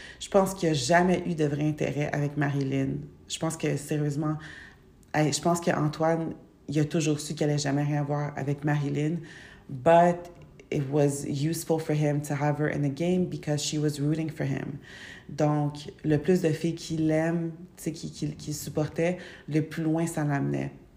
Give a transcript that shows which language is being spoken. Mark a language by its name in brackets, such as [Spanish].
[French] Je pense qu'il n'y a jamais eu de vrai intérêt avec Marilyn. Je pense que sérieusement, je pense que Antoine, il a toujours su qu'il allait jamais rien avoir avec Marilyn. [English] But it was useful for him to have her in the game because she was rooting for him. [French] Donc, le plus de filles qu'il aime, tu sais, qui supportait, le plus loin ça l'amenait.